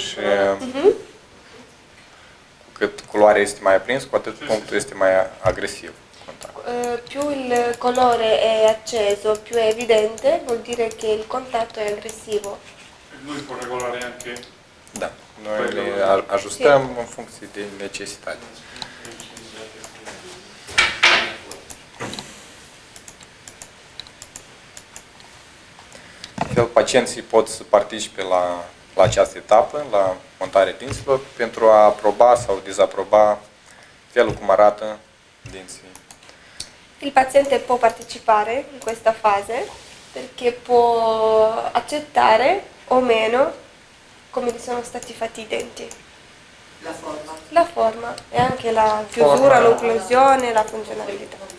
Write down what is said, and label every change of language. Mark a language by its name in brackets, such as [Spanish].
[Romanian] Și cu cât culoarea este mai aprins, cu atât punctul este mai agresiv. [Italian] Più il colore è acceso, più è evidente, vuol dire che il contatto è aggressivo. Noi può regolare anche... [Romanian] Da, noi le ajustăm în funcție de necesitate. Fel pacienții pot să participe la această etapă, la montarea dinților, pentru a aproba sau dezaproba felul cum arată dinții. [Italian] Il paziente può partecipare in questa fase perché può accettare o meno come gli sono stati fatti i denti. La forma. La forma e anche la chiusura, l'occlusione, la funzionalità.